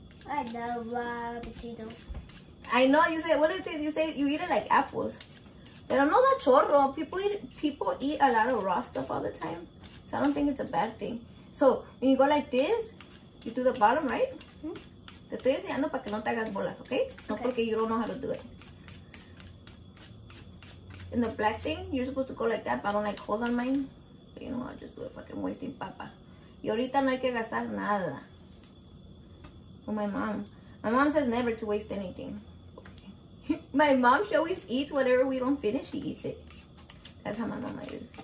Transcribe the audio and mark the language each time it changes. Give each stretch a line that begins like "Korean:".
English: I love potatoes. I know, you say, what did you say? You say you eat it like apples.
Spanish: Pero no da chorro.
English: People eat a lot of raw stuff all the time. So I don't think it's a bad thing. So when you go like this, you do the bottom, right?
Spanish: Te estoy enseñando para que no te hagas bolas, okay? No porque
English: you don't know how to do it. In the black thing, you're supposed to go like that, but I don't like holes on mine. But you know, I'll just do it fucking wasting papa.
Spanish: Y ahorita no hay que gastar nada.
English: Oh, my mom. My mom says never to waste anything. My mom, she always eats whatever we don't finish, she eats it. That's how my mama is.